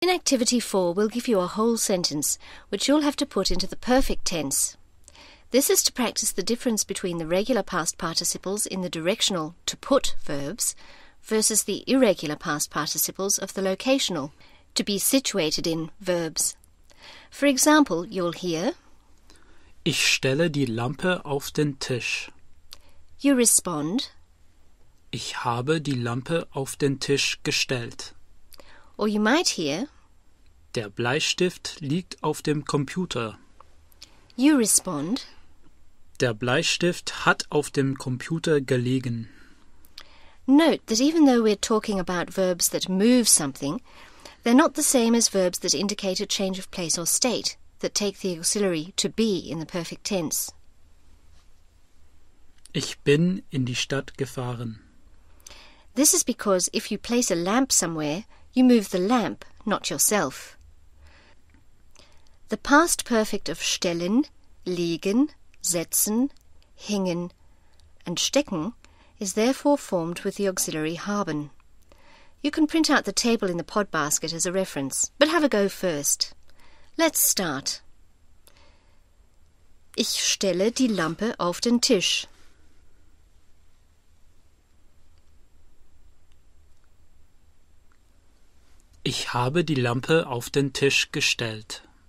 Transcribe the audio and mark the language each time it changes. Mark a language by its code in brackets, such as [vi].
[en] In activity 4, we'll give you a whole sentence, which you'll have to put into the perfect tense. This is to practice the difference between the regular past participles in the directional to put verbs versus the irregular past participles of the locational to be situated in verbs. For example, you'll hear, [de] Ich stelle die Lampe auf den Tisch. [en] You respond, [de] Ich habe die Lampe auf den Tisch gestellt. [en] Or you might hear, [de] Der Bleistift liegt auf dem Computer. [en] You respond, [de] Der Bleistift hat auf dem Computer gelegen. [en] Note that even though we're talking about verbs that move something, they're not the same as verbs that indicate a change of place or state, that take the auxiliary to be in the perfect tense. [de] Ich bin in die Stadt gefahren. [en] This is because if you place a lamp somewhere, you move the lamp, not yourself. The past perfect of stellen, liegen, setzen, hängen, and stecken is therefore formed with the auxiliary haben. You can print out the table in the pod basket as a reference, but have a go first. Let's start. [de] Ich stelle die Lampe auf den Tisch. Ich habe die Lampe auf den Tisch gestellt.